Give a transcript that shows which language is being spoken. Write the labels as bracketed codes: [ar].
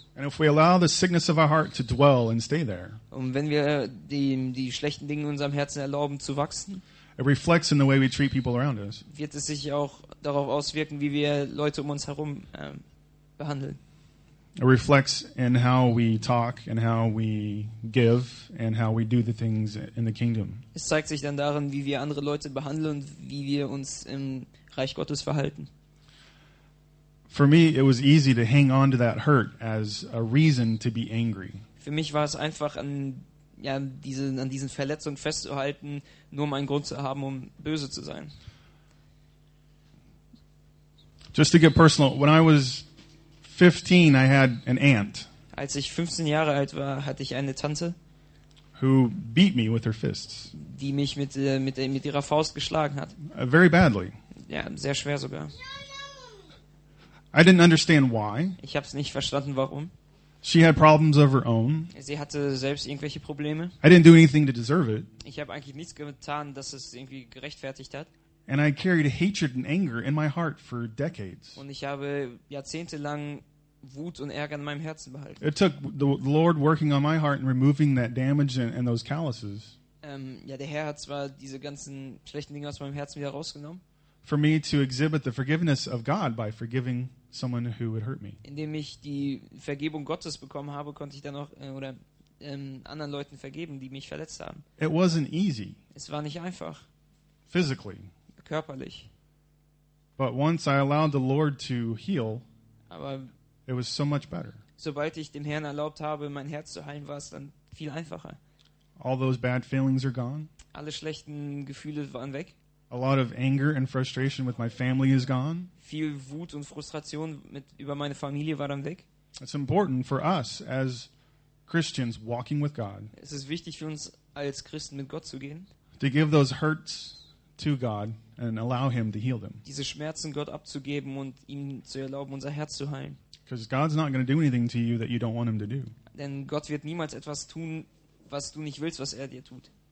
[en] And if we allow the sickness of our heart to dwell and stay there, [de] und wenn wir die schlechten Dinge in unserem Herzen erlauben zu wachsen, [en] it reflects in the way we treat people around us. [de] Wird es sich auch darauf auswirken, wie wir Leute um uns herum behandeln. [en] It reflects in how we talk and how we give and how we do the things in the kingdom. [de] Es zeigt sich dann darin, wie wir andere Leute behandeln und wie wir uns im Reich Gottes verhalten. [en] For me, it was easy to hang on to that hurt as a reason to be angry. [de] Für mich war es einfach, an diesen Verletzungen festzuhalten, nur um einen Grund zu haben, um böse zu sein. [en] Just to get personal, when I was 15, I had an aunt. [de] Als ich 15 Jahre alt war, hatte ich eine Tante. [en] Who beat me with her fists. [de] Die mich mit ihrer Faust geschlagen hat. [en] Very badly. [de] Ja, sehr schwer sogar. [en] I didn't understand why. [de] Ich hab's nicht verstanden, warum. [en] She had problems of her own. [de] Sie hatte selbst irgendwelche Probleme. [en] I didn't do anything to deserve it. [de] Ich habe eigentlich nichts getan, dass es irgendwie gerechtfertigt hat. [en] And I carried hatred and anger in my heart for decades. [de] Und ich habe jahrzehntelang Wut und Ärger in meinem Herzen behalten. [en] It took the Lord working on my heart and removing that damage and those calluses. [de] Der Herr hat zwar diese ganzen schlechten Dinge aus meinem Herzen wieder rausgenommen. [en] For me to exhibit the forgiveness of God by forgiving someone who would hurt me. [de] Indem ich die Vergebung Gottes bekommen habe, konnte ich dann auch anderen Leuten vergeben, die mich verletzt haben. [en] It wasn't easy. [de] Es war nicht einfach. [en] Physically. [de] Körperlich. [en] But once I allowed the Lord to heal, [de] aber [en] it was so much better. [de] Sobald ich dem Herrn erlaubt habe, mein Herz zu heilen, war es dann viel einfacher. [en] All those bad feelings are gone. [de] Alle schlechten Gefühle waren weg. [en] A lot of anger and frustration with my family is gone. [de] Viel Wut und Frustration über meine Familie war dann weg. [en] It's important for us as Christians walking with God. [de] Es ist wichtig für uns als Christen mit Gott zu gehen. [en] To give those hurts to God and allow him to heal them. [de] Diese Schmerzen Gott abzugeben und ihm zu erlauben, unser Herz zu heilen. [en] Because God's not going to do anything to you that you don't want him to do. [de] Denn Gott wird niemals etwas tun, was du nicht willst, was er dir tut.